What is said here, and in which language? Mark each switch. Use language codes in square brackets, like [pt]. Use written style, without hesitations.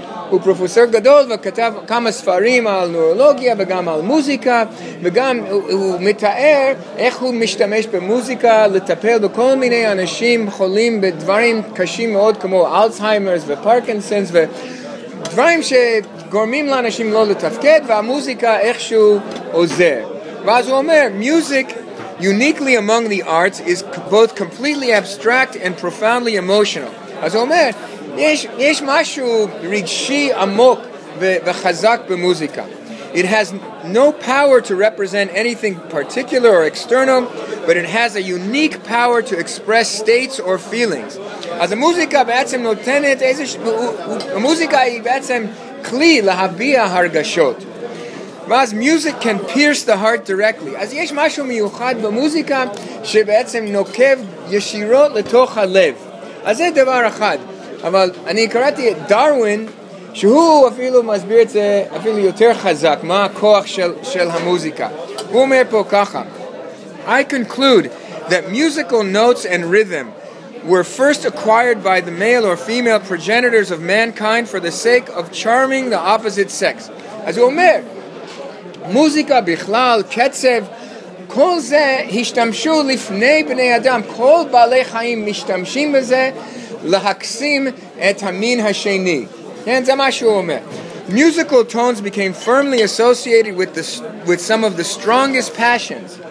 [he] הוא פרופסור גדול וכתב כמה ספרים על נורולוגיה וגם על מוזיקה, וגם הוא מתאר איך הוא משתמש במוזיקה לטפל בכל מיני אנשים חולים בדברים קשים מאוד כמו אלצהיימרס ופרקינסונס ודברים שגורמים לאנשים לא לתפקד, והמוזיקה איכשהו עוזר. ואז הוא אומר, [en] "Music, uniquely among the arts, is both completely abstract and profoundly emotional." [he] אז הוא אומר, יש משהו רגשי עמוק וחזק במוזיקה. [en] It has no power to represent anything particular or external, but it has a unique power to express states or feelings. [he] אז המוזיקה בעצם נותנת המוזיקה היא בעצם כלי להביע הרגשות. ואז [en] music can pierce the heart directly. [he] אז יש משהו מיוחד במוזיקה שבעצם נוקב ישירות לתוך הלב. אז זה דבר אחד. אבל אני קראתי את דרווין, שהוא אפילו מסביר את זה אפילו יותר חזק, מה הכוח של המוזיקה. הוא אומר פה ככה, [en] I conclude that musical notes and rhythm were first acquired by the male or female progenitors of mankind for the sake of charming the opposite sex. [he] אז הוא אומר, מוזיקה בכלל, קצב, כל זה השתמשו לפני בני אדם, כל בעלי חיים משתמשים בזה, להקסים את המין השני. כן, זה מה שהוא אומר. [en] Musical tones became firmly associated with some of the strongest passions.